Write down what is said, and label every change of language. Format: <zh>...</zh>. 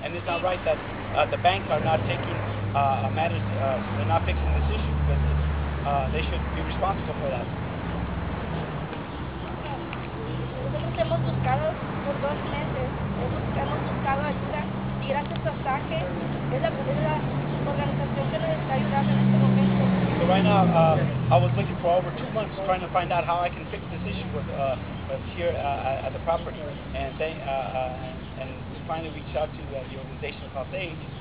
<en>And it's not right that the banks are not taking matters, they're not fixing this issue, because it's, they should be responsible for that.</en> <es>Nosotros hemos buscado por dos meses, hemos buscado ayuda y gracias a SAGE, es la organización que nos está ayudando en este momento.</es> <en>So right now, I was looking for over 2 months trying to find out how I can fix this issue with here at the property. And they, and we finally reached out to the organization called SAGE.</en>